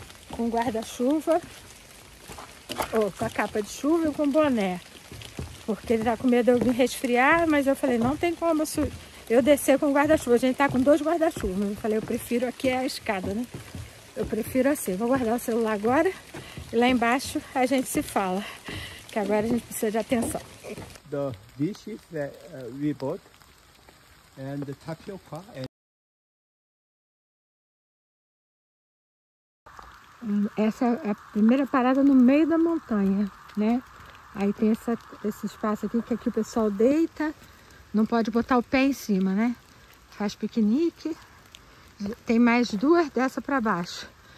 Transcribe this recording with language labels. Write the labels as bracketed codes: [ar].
[pt] com guarda-chuva, ou com a capa de chuva e com boné, porque ele tá com medo de eu me resfriar, mas eu falei, não tem como eu descer com guarda-chuva, a gente tá com dois guarda-chuvas, eu falei, eu prefiro aqui a escada, né, eu prefiro assim, vou guardar o celular agora, e lá embaixo a gente se fala, que agora a gente precisa de atenção. [en] The dishes that we bought, and the tapioca, and... [pt] Essa é a primeira parada no meio da montanha, né? Aí tem esse espaço aqui, que aqui o pessoal deita, não pode botar o pé em cima, né? Faz piquenique. Tem mais duas dessa para baixo.